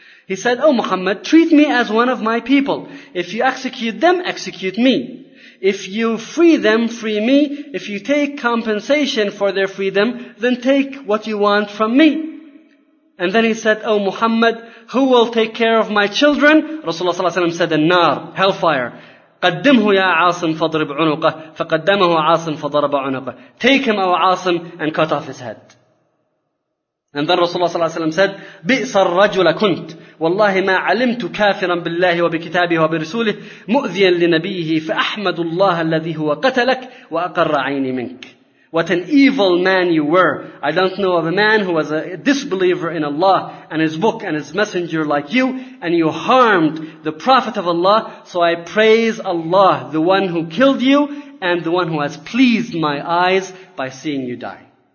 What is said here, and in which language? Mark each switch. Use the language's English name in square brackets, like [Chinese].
[English] He said, "Oh Muhammad, treat me as one of my people. If you execute them, execute me. If you free them, free me. If you take compensation for their freedom, then take what you want from me." And then he said, "Oh Muhammad, who will take care of my children?" Rasulullah sallallahu alaihi wasallam said, "An-nar, hellfire." [Arabic] قدمه يا عاصم فضرب عنقه فقدمه عاصم فضرب عنقه. [English] Take him, O عاصم, and cut off his head. And then Rasulullah sallallahu alaihi wasallam said, [Arabic] "بئس الرجل كنت والله ما علمت كافرا بالله وبكتابه وبرسوله مؤذيا لنبيه فأحمد الله الذي هو قتلك وأقر عيني منك." [English] What an evil man you were. I don't know of a man who was a disbeliever in Allah and His book and His messenger like you, and you harmed the Prophet of Allah. So I praise Allah, the one who killed you and the one who has pleased my eyes by seeing you die.